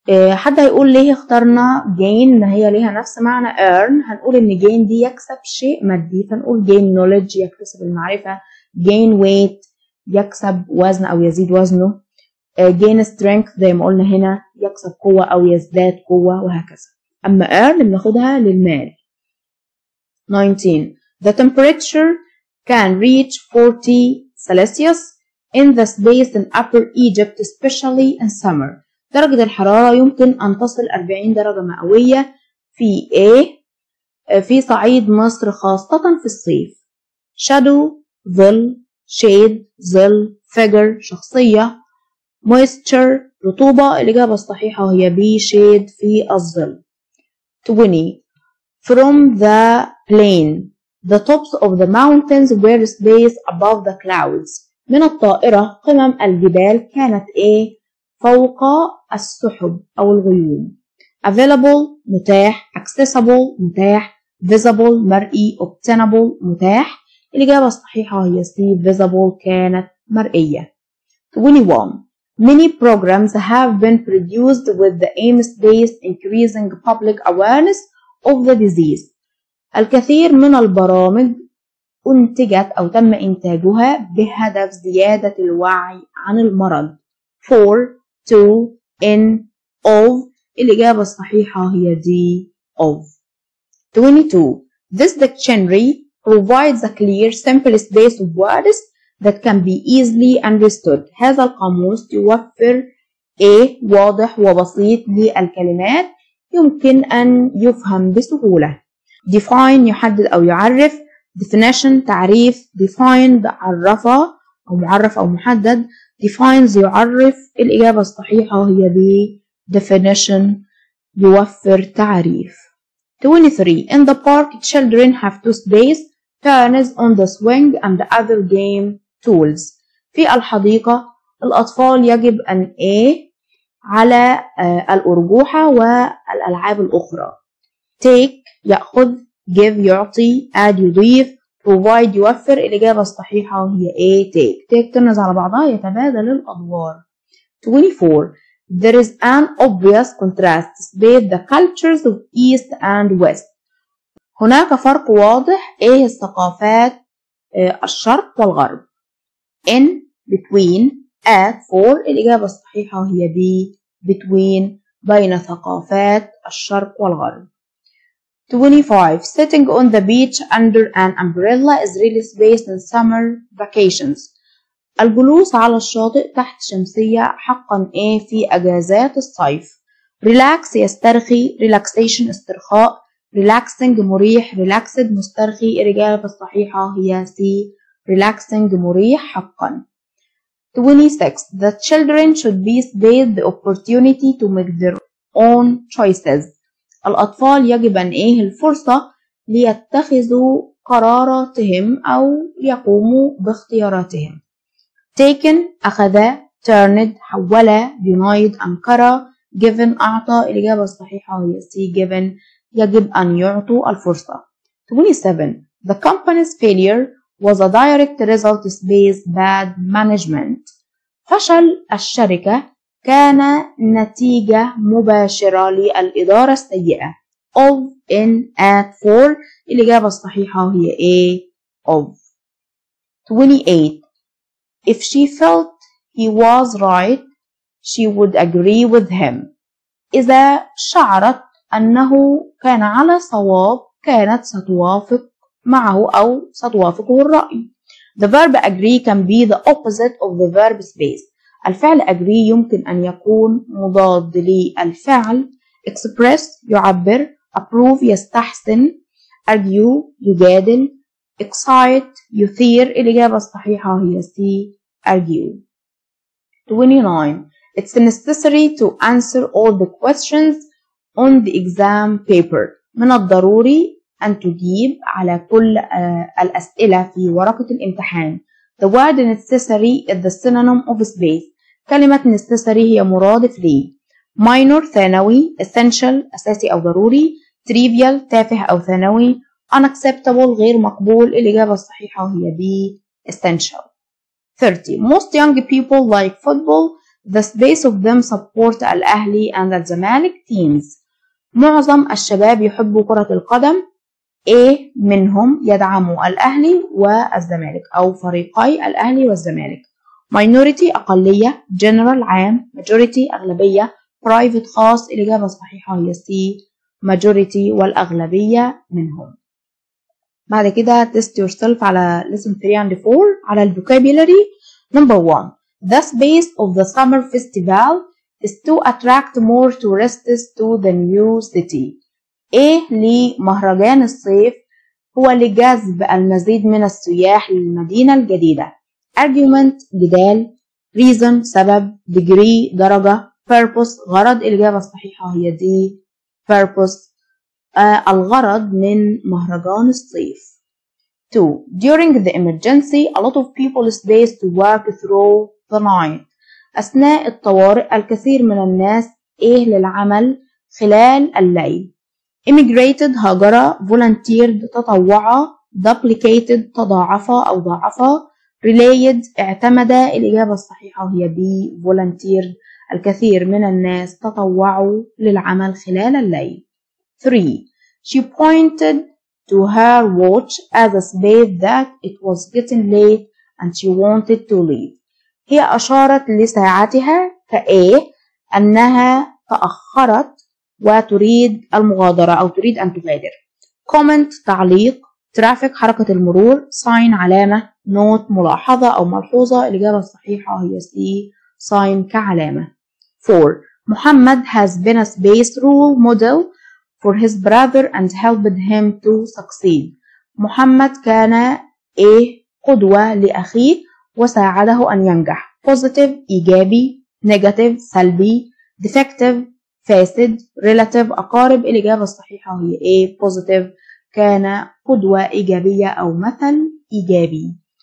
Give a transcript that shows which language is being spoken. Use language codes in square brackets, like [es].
[ar] حد هيقول ليه اخترنا gain ما هي ليها نفس معنى earn؟ هنقول ان gain دي يكسب شيء مادي، فنقول [en] gain knowledge [ar] يكتسب المعرفة، [en] gain weight [ar] يكسب وزن او يزيد وزنه، [en] gain strength [ar] زي ما قلنا هنا يكسب قوة او يزداد قوة وهكذا. اما earn بناخدها للمال. 19. [en] The temperature can reach 40 celsius in the space in upper Egypt especially in summer. [ar] درجة الحرارة يمكن أن تصل 40 درجة مئوية في إيه؟ في صعيد مصر خاصة في الصيف. shadow ظل، shade ظل، figure شخصية، moisture رطوبة. الإجابة الصحيحة هي B shade في الظل. 20. [en] From the plane the tops of the mountains were space above the clouds. [ar] من الطائرة قمم الجبال كانت إيه؟ فوق السحب أو الغيوم. available متاح، accessible متاح، visible مرئي، obtainable متاح. الإجابة الصحيحة هي C visible كانت مرئية. 21. [en] Many programs have been produced with the aim space increasing public awareness of the disease. [ar] الكثير من البرامج أنتجت أو تم إنتاجها بهدف زيادة الوعي عن المرض. 4. To in of. الإجابة الصحيحة هي D of. 22. [en] This dictionary provides a clear, simplest base of words that can be easily understood. [ar] هذا القاموس يوفر إيه واضح وبسيط للكلمات يمكن أن يفهم بسهولة. Define يحدد أو يعرف. Definition تعريف. Defined عرفه أو معرف أو محدد. Defines يعرف. الإجابة الصحيحة هي B. Definition يوفر تعريف. 23. [en] In the park, children have two space turns on the swing and the other game tools. [ar] في الحديقة الأطفال يجب أن A على الأرجوحة والألعاب الأخرى. Take يأخذ. Give يعطي. Add يضيف. Provide يوفر. الإجابة الصحيحة هي A. Take. [en] Take turns [ar] على بعضها يتبادل الأدوار. 24. [en] There is an obvious contrast between the cultures of East and West. [ar] هناك فرق واضح إيه الثقافات الشرق والغرب. In, between, at, for. الإجابة الصحيحة هي B. Between. بين ثقافات الشرق والغرب. 25. [en] Sitting on the beach under an umbrella is really space in summer vacations. [ar] الجلوس على الشاطئ تحت شمسية حقا ايه في اجازات الصيف. Relax يسترخي. Relaxation استرخاء. Relaxing مريح. Relaxed مسترخي. الإجابة الصحيحة هي C. Relaxing مريح حقا. 26. [en] The children should be spared the opportunity to make their own choices. [ar] الأطفال يجب أن ايه الفرصة ليتخذوا قراراتهم أو يقوموا باختياراتهم. Taken أخذ. Turned حول. Denied أنكر. Given أعطى. الإجابة الصحيحة هي C. Given يجب أن يعطوا الفرصة. 27. [en] The company's failure was a direct result of bad management. [ar] فشل الشركة كان نتيجة مباشرة للإدارة السيئة. Of, in, at, for. الإجابة الصحيحة هي A. Of. 28. [en] If she felt he was right, she would agree with him. [ar] إذا شعرت أنه كان على صواب كانت ستوافق معه أو ستوافقه الرأي. [en] The verb agree can be the opposite of the verb space. [ar] الفعل agree يمكن أن يكون مضاد للفعل. Express يعبر. Approve يستحسن. Argue يجادل. Excite يثير. الإجابة الصحيحة هي C. Argue. 29. [en] It's necessary to answer all the questions on the exam paper. [ar] من الضروري أن تجيب على كل الأسئلة في ورقة الامتحان. [en] The word necessary is the synonym of space. [ar] كلمة necessary هي مرادف لي. Minor ثانوي. Essential أساسي أو ضروري. Trivial تافه أو ثانوي. Unacceptable غير مقبول. الإجابة الصحيحة هي B. Essential. 30. [en] Most young people like football. The space of them support الأهلي and the Zamalek teams. [ar] معظم الشباب يحبوا كرة القدم. A. منهم يدعموا الأهلي والزمالك أو فريقي الأهلي والزمالك. Minority أقلية. General عام. Majority أغلبية. Private خاص. الإجابة الصحيحة هي C. Majority والأغلبية منهم. بعد كده [en] test yourself [ar] على [en] lesson 3 and 4 [ar] على vocabulary. [en] Number 1. The space of the summer festival is to attract more tourists to the new city. [ar] A. لمهرجان الصيف هو لجذب المزيد من السياح للمدينة الجديدة. Argument جدال. Reason سبب. Degree درجة. Purpose غرض. الإجابة الصحيحة هي D. Purpose الغرض من مهرجان الصيف. 2. [en] During the emergency, a lot of people stays to work through the night. [ar] أثناء الطوارئ الكثير من الناس إيه للعمل خلال الليل. Immigrated هاجرة. Volunteered تطوعة. Duplicated تضاعفة أو ضاعفة. Relayed اعتمد. الإجابة الصحيحة هي B. Volunteered الكثير من الناس تطوعوا للعمل خلال الليل. 3. [en] She pointed to her watch as a space that it was getting late and she wanted to leave. [ar] هي أشارت لساعتها كأيه أنها تأخرت وتريد المغادرة أو تريد أن تغادر. comment تعليق, traffic حركة المرور, sign علامة, note ملاحظة أو ملحوظة. الإجابة الصحيحة هي C, sign كعلامة. 4. [en] محمد has been a space role model for his brother and helped him to succeed. [ar] محمد كان إيه قدوة لأخيه وساعده أن ينجح. positive إيجابي, negative سلبي, defective فاسد, relative أقارب. الإجابة الصحيحة هي A positive, كان قدوة إيجابية أو مثل إيجابي.